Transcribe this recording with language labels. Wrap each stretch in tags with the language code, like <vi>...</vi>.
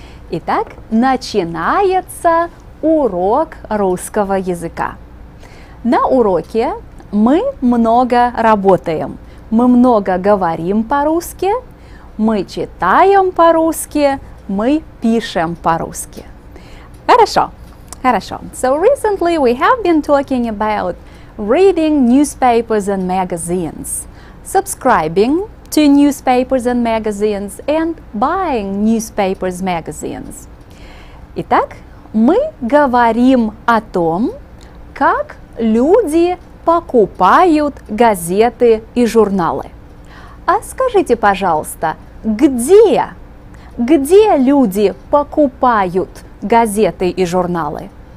<ru>Итак, начинается урок русского языка. На уроке мы много работаем. Мы много говорим по-русски, мы читаем по-русски, мы пишем по-русски. Хорошо. Хорошо.</ru> <en>So recently we have been talking about reading newspapers and magazines, subscribing to newspapers and magazines, and buying newspapers magazines.</en> <ru>Итак, мы говорим о том, как люди покупают газеты и журналы. А скажите, пожалуйста, где люди покупают газеты и журналы?</ru>